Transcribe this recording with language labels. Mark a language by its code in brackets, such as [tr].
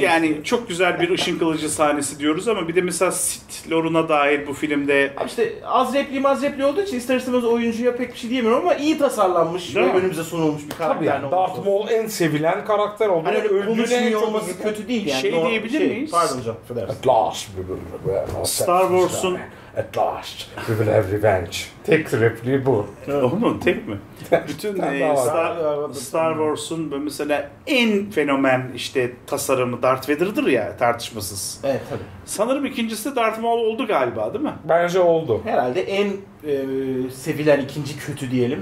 [tr] Yani çok güzel bir ışın kılıcı sahnesi diyoruz ama bir de mesela Sith Lord'una dair bu filmde... Abi işte az repliği olduğu için ister istemez oyuncuya pek bir şey diyemiyorum ama iyi tasarlanmış ve önümüze sunulmuş bir karakter. Tabii yani Darth Maul en sevilen karakter oldu. Hani öyle konuşmuyor olması kötü değil yani. Şey diyebilir miyiz? Pardon canım. [en] At last we will have revenge. [tr] Star Wars'un... [en] At last we will have revenge. [tr] Tek repliği bu. O mu? Tek mi? Bütün Star Wars'un mesela en fenomen işte tasarımı Darth Vader'dır ya, tartışmasız. Evet tabii. Sanırım ikincisi de Darth Maul oldu galiba değil mi? Bence oldu. Herhalde en sevilen ikinci kötü diyelim.